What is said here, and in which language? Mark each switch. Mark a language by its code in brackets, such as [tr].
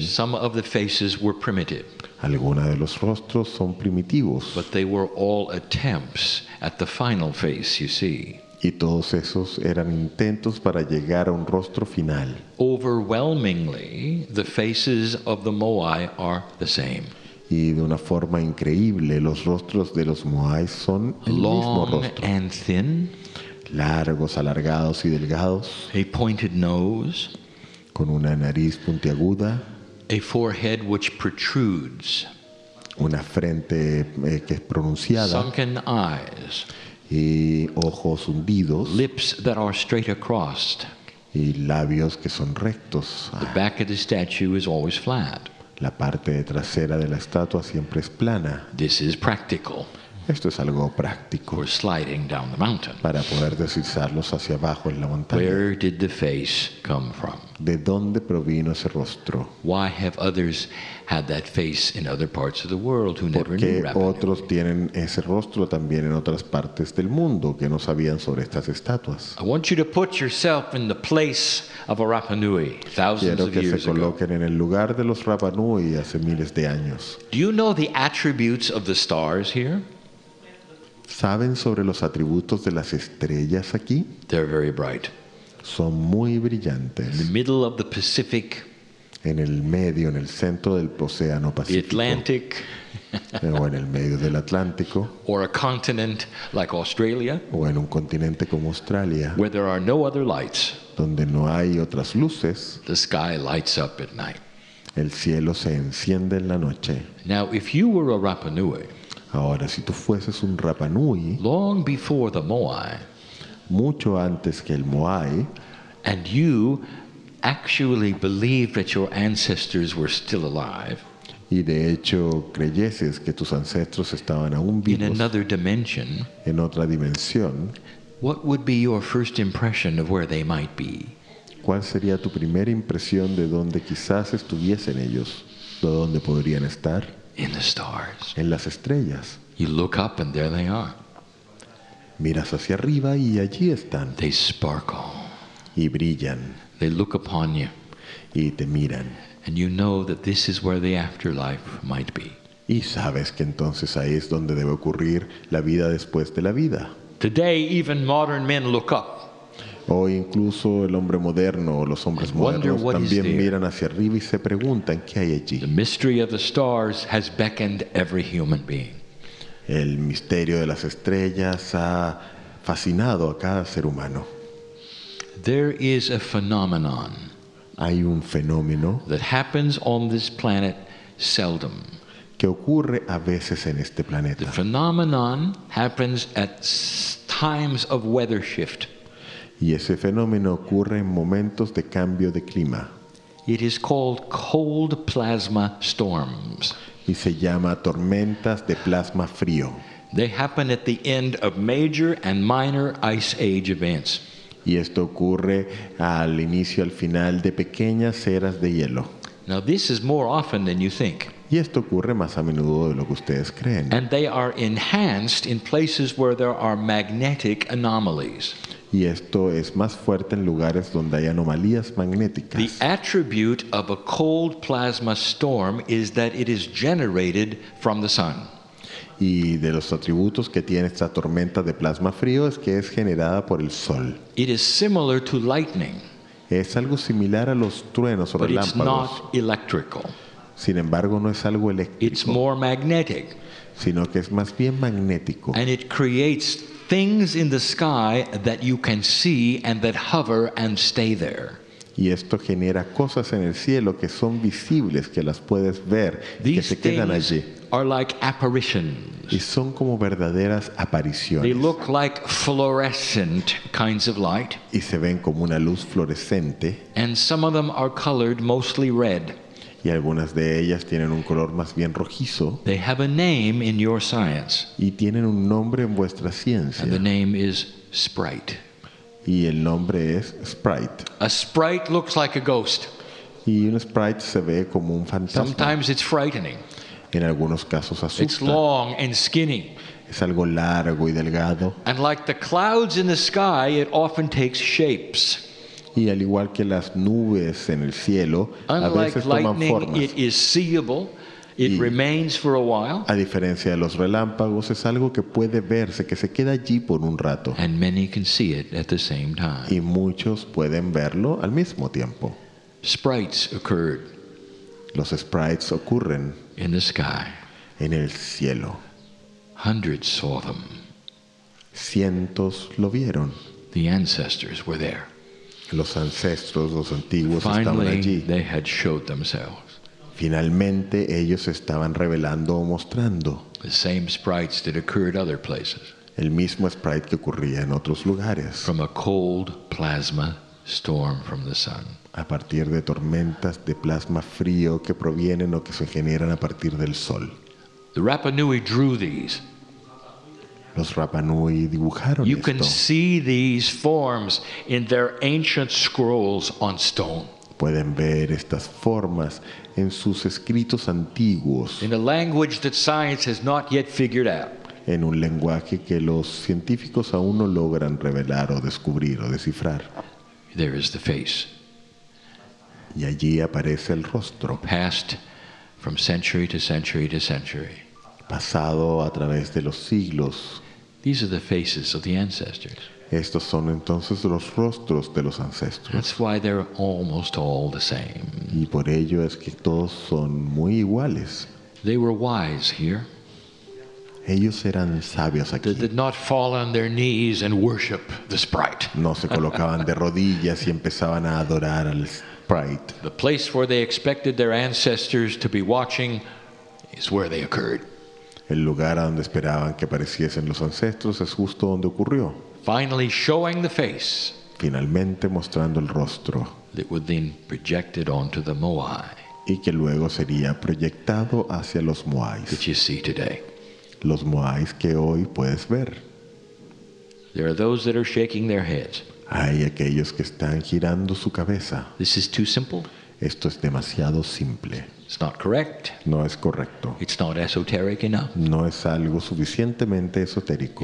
[en] Some of the faces were primitive. [es] Algunos de los rostros son primitivos. [en] But they were all attempts at the final face, you see. [es] Y todos esos eran intentos para llegar a un rostro final. [en] Overwhelmingly, the faces of the Moai are the same. [es] Y de una forma increíble, los rostros de los Moai son el mismo rostro. [en] Long and thin. [es] Largos, alargados y delgados. [en] A pointed nose. [es] Con una nariz puntiaguda. [en] A forehead which protrudes. [es] Una frente que es pronunciada. [en] Sunken eyes. [es] Y ojos hundidos. [en] Lips that are straight across. [es] Y labios que son rectos. [en] The back of the statue is always flat. [es] La parte trasera de la estatua siempre es plana. [en] This is practical. [es] Esto es algo práctico. [en] For sliding down the mountain. [es] Para poder deslizarlos hacia abajo en la montaña. [en] Where did the face come from? [es] ¿De dónde provino ese rostro? [en] Why have others had that face in other parts of the world who never knew Rapa Nui? [es] ¿Por qué otros tienen ese rostro también en otras partes del mundo que no sabían sobre estas estatuas? [en] I want you to put yourself in the place of a Rapa Nui thousands of years ago. [es] Quiero que se coloquen en el lugar de los Rapa Nui hace miles de años. [en] Do you know the attributes of the stars here? [es] ¿Saben sobre los atributos de las estrellas aquí? [en] They're very bright. [es] Son muy brillantes. [en] In the middle of the Pacific. [es] En el medio, en el centro del océano Pacífico. [en] The Atlantic. [es] O en el medio del Atlántico. [en] Or a continent like Australia. [es] O en un continente como Australia. [en] Where there are no other lights. [es] Donde no hay otras luces. [en] The sky lights up at night. [es] El cielo se enciende en la noche. [en] Now, if you were a Rapa Nui. [es] Ahora, si tú fueses un Rapa Nui, [en] long before the Moai, [es] mucho antes que el Moai, [en] and you actually believed that your ancestors were still alive, [es] y de hecho creyeses que tus ancestros estaban aún vivos, [en] in another dimension, [es] en otra dimensión, [en] what would be your first impression of where they might be? [es] ¿Cuál sería tu primera impresión de dónde quizás estuviesen ellos, de dónde podrían estar? [en] In the stars. [es] En las estrellas. [en] You look up and there they are. [es] Miras hacia arriba y allí están. [en] They sparkle. [es] Y brillan. [en] They look upon you. [es] Y te miran. [en] And you know that this is where the afterlife might be. [es] Y sabes que entonces ahí es donde debe ocurrir la vida después de la vida. [en] Today even modern men look up. [es] Hoy incluso el hombre moderno o los hombres modernos también miran hacia arriba y se preguntan qué hay allí. [en] The mystery of the stars has beckoned every human being. [es] El misterio de las estrellas ha fascinado a cada ser humano. [en] There is a phenomenon. [es] Hay un fenómeno [en] that happens on this planet seldom. [es] Que ocurre a veces en este planeta. [en] The phenomenon happens at times of weather shift. [es] Y ese fenómeno ocurre en momentos de cambio de clima. [en] It is called cold plasma storms. [es] Y se llama tormentas de plasma frío. [en] They happen at the end of major and minor ice age events. [es] Y esto ocurre al inicio y al final de pequeñas eras de hielo. [en] Now this is more often than you think. [es] Y esto ocurre más a menudo de lo que ustedes creen. [en] And they are enhanced in places where there are magnetic anomalies. [es] Y esto es más fuerte en lugares donde hay anomalías magnéticas. [en] The attribute of a cold plasma storm is that it is generated from the sun. [es] Y de los atributos que tiene esta tormenta de plasma frío es que es generada por el sol. [en] It is similar to lightning. [es] Es algo similar a los truenos o relámpagos. [en] But it's not electrical. [es] Sin embargo, no es algo eléctrico. [en] It's more magnetic. [es] Sino que es más bien magnético. [en] And it creates things in the sky that you can see and that hover and stay there. [es] Y esto genera cosas en el cielo que son visibles, que las puedes ver, [en] these [es] que se quedan allí. [en] These things are like apparitions. [es] Y son como verdaderas apariciones. [en] They look like fluorescent kinds of light. [es] Y se ven como una luz fluorescente. [en] And some of them are colored mostly red. [es] Y algunas de ellas tienen un color más bien rojizo. [en] They have a name in your science. [es] Y tienen un nombre en vuestra ciencia. [en] And the name is Sprite. [es] Y el nombre es Sprite. [en] A Sprite looks like a ghost. [es] Y un Sprite se ve como un fantasma. [en] Sometimes it's frightening. [es] En algunos casos asusta. [en] It's long and skinny. [es] Es algo largo y delgado. [en] And like the clouds in the sky, it often takes shapes. [es] Y al igual que las nubes en el cielo, a veces toman formas. [en] It is seeable, It remains for a while. [es] A diferencia de los relámpagos, es algo que puede verse, que se queda allí por un rato. [en] And many can see it at the same time. [es] Y muchos pueden verlo al mismo tiempo. [en] Sprites occurred. [es] Los sprites ocurren [en] in the sky. [es] En el cielo. [en] Hundreds saw them. [es] Cientos lo vieron. [en] The ancestors were there. [es] Los ancestros, los antiguos, [en] finally, [es] estaban allí. [en] They had showed themselves. [es] Finalmente, ellos estaban revelando o mostrando. [en] The same sprites that occurred other places. [es] El mismo sprite que ocurría en otros lugares. [en] From a cold plasma storm from the sun. [es] A partir de tormentas de plasma frío que provienen o que se generan a partir del sol. [en] The Rapa Nui drew these. [es] Los Rapa Nui dibujaron [en] you [es] esto. [en] Can see these forms in their ancient scrolls on stone. [es] Pueden ver estas formas en sus escritos antiguos. [en] In a language that science has not yet figured out. [es] En un lenguaje que los científicos aún no logran revelar o descubrir o descifrar. [en] There is the face. [es] Y allí aparece el rostro. [en] Past from century to century to century. [es] Pasado a través de los siglos. [en] These are the faces of the ancestors. [es] Estos son entonces los rostros de los ancestros. [en] That's why they're almost all the same. [es] Y por ello es que todos son muy iguales. [en] They were wise here. [es] Ellos eran sabios aquí. [en] They did not fall on their knees and worship the sprite. [es] No se colocaban de rodillas y empezaban a adorar al sprite. [en] The place where they expected their ancestors to be watching is where they occurred. [es] El lugar a donde esperaban que apareciesen los ancestros es justo donde ocurrió. [en] Finally showing the face. [es] Finalmente mostrando el rostro. [en] That would then projected onto the Moai. [es] Y que luego sería proyectado hacia los Moais. [en] That you see today. [es] Los Moais que hoy puedes ver. [en] There are those that are shaking their heads. [es] Hay aquellos que están girando su cabeza. [en] This is too simple. [es] Esto es demasiado simple. [en] It's not correct. [es] No es correcto. [en] It's not esoteric enough. [es] No es algo suficientemente esotérico.